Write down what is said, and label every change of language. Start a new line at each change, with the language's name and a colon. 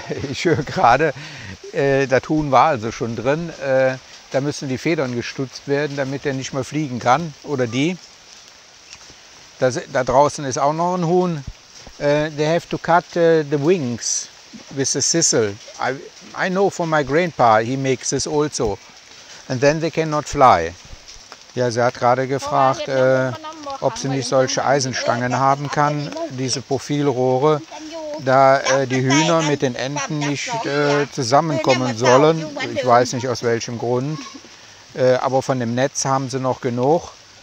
German: Ich höre gerade, das Huhn war also schon drin. Da müssen die Federn gestutzt werden, damit er nicht mehr fliegen kann. Oder die. Da draußen ist auch noch ein Huhn.
English: They have to cut the wings with a sizzle. I know from my grandpa, he makes this also. And then they cannot fly.
German: Ja, sie hat gerade gefragt, ob sie nicht solche Eisenstangen haben kann, diese Profilrohre, da die Hühner mit den Enten nicht zusammenkommen sollen. Ich weiß nicht aus welchem Grund, aber von dem Netz haben sie noch genug.